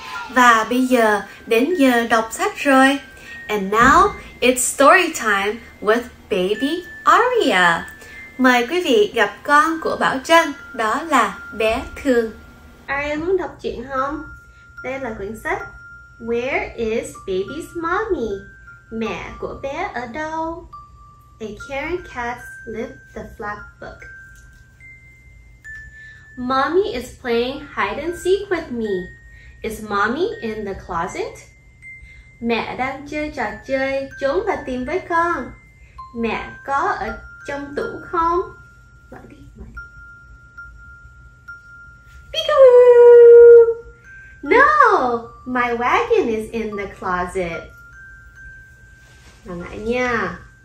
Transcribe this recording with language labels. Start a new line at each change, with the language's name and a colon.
Vietnamese: Và bây giờ đến giờ đọc sách rồi.
English: And now it's story time with baby Aria.
Vietnamese: Mời quý vị gặp con của Bảo Trân, đó là bé Thương. Aria muốn đọc chuyện không? Đây là quyển sách Where is Baby's Mommy? Mẹ của bé ở đâu? A Caring Cat's Live the Flap Book.
English: Mommy is playing hide and seek with me. Is mommy in the closet?
Vietnamese: Mẹ đang chơi trò chơi trốn và tìm với con. Mẹ có ở trong tủ không? Mở đi.
English: Peek-a-boo! No, my wagon is in the closet.
Vietnamese: Nằm lại nha.